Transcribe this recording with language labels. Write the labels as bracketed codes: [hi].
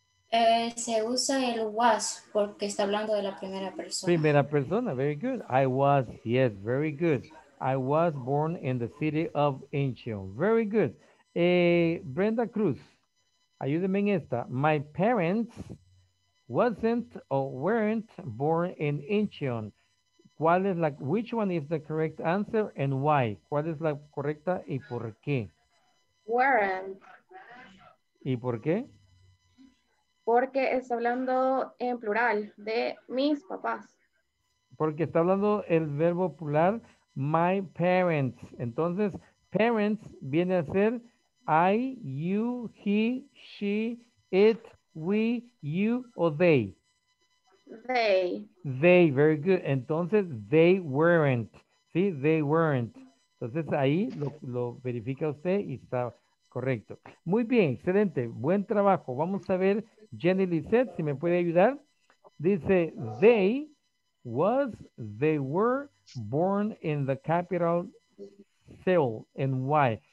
[es] Se usa el was porque está hablando de la primera persona. Primera persona, [en] very good. I was, yes, very good. I was born in the city of Incheon. Very good. [es] Brenda Cruz, ayúdeme en esta. [en] My parents wasn't or weren't born in Incheon. [es] ¿Cuál es la, [en] which one is the correct answer and why? [es] ¿Cuál es la correcta y por qué? [en] Weren't. [es] ¿Y por qué? Porque está hablando en plural de mis papás. Porque está hablando el verbo plural [en] my parents. Entonces, parents [es] viene a ser [en] I, you, he, she, it, we, you, o they. They. They, very good. Entonces, they weren't. ¿Sí? They weren't. [es] Entonces, ahí lo verifica usted y está correcto. Muy bien, excelente. Buen trabajo. Vamos a ver Jenny Lizette, si me puede ayudar. Dice, [en] they was, they were born in the capital Seoul, and why?